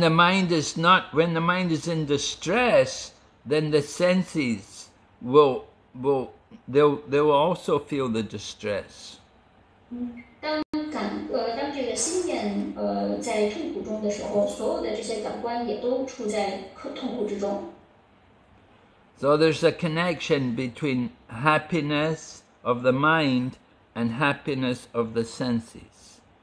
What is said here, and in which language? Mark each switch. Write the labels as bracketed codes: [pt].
[en] the mind is not, when the mind is in distress, then the senses will also feel the distress. [zh] 当这个心念在痛苦中的时候，所有的这些感官也都处在痛苦之中。 [en] So there's a connection between happiness of the mind and happiness of the senses.